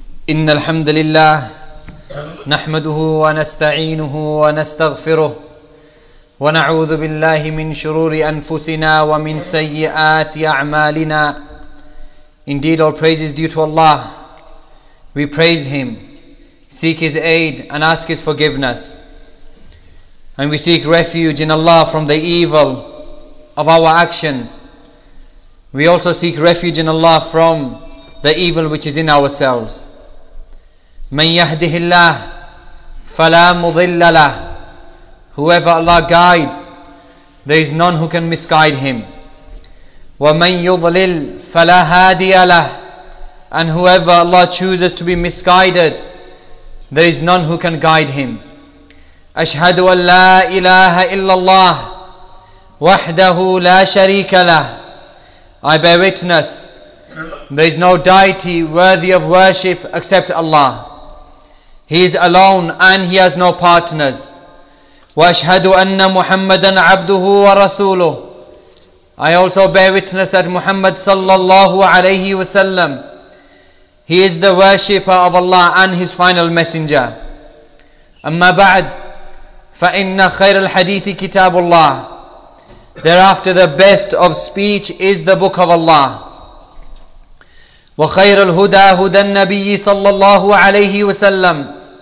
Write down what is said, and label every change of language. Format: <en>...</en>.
<ar>إن الحمد لله نحمده ونستعينه ونستغفره ونعوذ بالله من شرور أنفسنا ومن سيئات أعمالنا.</ar> <en>Indeed, all praise is due to Allah. We praise Him, seek His aid, and ask His forgiveness. And we seek refuge in Allah from the evil of our actions. We also seek refuge in Allah from the evil which is in ourselves.</en> <ar>من يهده الله فلا مضل له.</ar> <en>Whoever Allah guides, there is none who can misguide him.</en> <ar>ومن يضلل فلا هادي له.</ar> <en>And whoever Allah chooses to be misguided, there is none who can guide him.</en> <ar>أشهد أن لا إله إلا الله وحده لا شريك له.</ar> <en>I bear witness, there is no deity worthy of worship except Allah. He is alone and He has no partners.</en> <ar>وأشهد أن محمدا عبده ورسوله.</ar> <en>I also bear witness that Muhammad</en> <ar>صلى الله عليه وسلم,</ar> <en>he is the worshipper of Allah and His final messenger.</en> <ar>أما بعد, فإن خير الحديث كتاب الله.</ar> <en>Thereafter, the best of speech is the book of Allah.</en> <ar>وخير الهدى هدى النبي صلى الله عليه وسلم.</ar>